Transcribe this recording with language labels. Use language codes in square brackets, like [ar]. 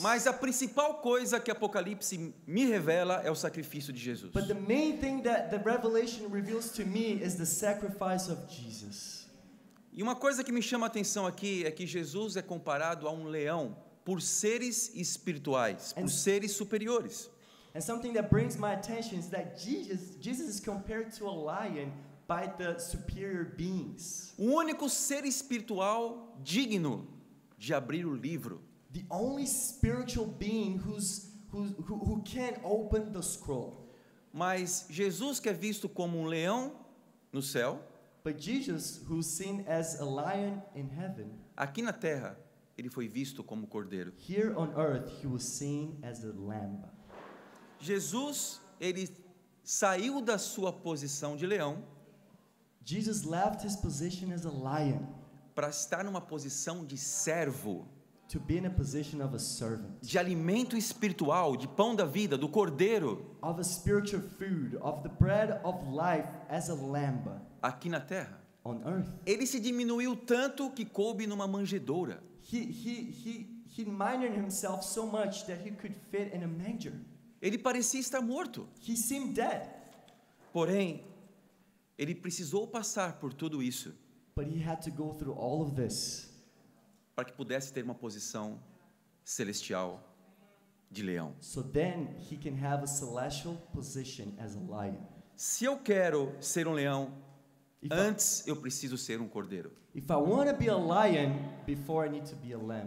[pt] Mas a principal coisa que Apocalipse me revela é o sacrifício de Jesus. [en] But the main thing that the Revelation reveals to me is the sacrifice of Jesus. [pt] E uma coisa que me chama a atenção aqui é que Jesus é comparado a um leão por seres espirituais, por seres superiores. [en] And something that brings my attention is that Jesus is compared to a lion by the superior beings. [pt] O único ser espiritual digno de abrir o livro. [en] The only spiritual being who can open the scroll. [pt] Mas Jesus, que é visto como um leão no céu, [en] But Jesus, who's seen as a lion in heaven, [pt] aqui na terra, ele foi visto como cordeiro. [en] Here on earth, he was seen as a lamb. [pt] Jesus, ele saiu da sua posição de leão. [en] Jesus left his position as a lion. [pt] Para estar numa posição de servo. [en] To be in a position of a servant. [pt] De alimento espiritual, de pão da vida, do cordeiro. [en] Of a spiritual food, of the bread of life as a lamb. [pt] Aqui na terra. [en] On earth. [pt] Ele se diminuiu tanto que coube numa manjedoura. [en] He minored himself so much that he could fit in a manger. [pt] Ele parecia estar morto. [en] He seemed dead. [pt] Porém, ele precisou passar por tudo isso. [en] But he had to go through all of this. [pt] Para que pudesse ter uma posição celestial de leão. [en] So then he can have a celestial position as a lion. [pt] Se eu quero ser um leão, antes eu preciso ser um cordeiro. [en] If I want to be a lion, before I need to be a lamb.